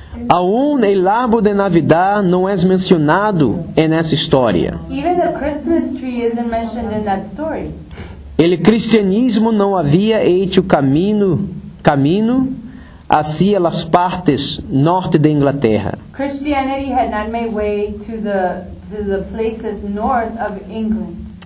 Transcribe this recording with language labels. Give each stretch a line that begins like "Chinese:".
Spanish: Aún el árbol de Navidad no es mencionado en esa historia.
English: Even the Christmas tree isn't mentioned in that story.
Spanish: El cristianismo no había hecho camino hacia las partes norte de Inglaterra.
English: Christianity had not made way to the places north of England.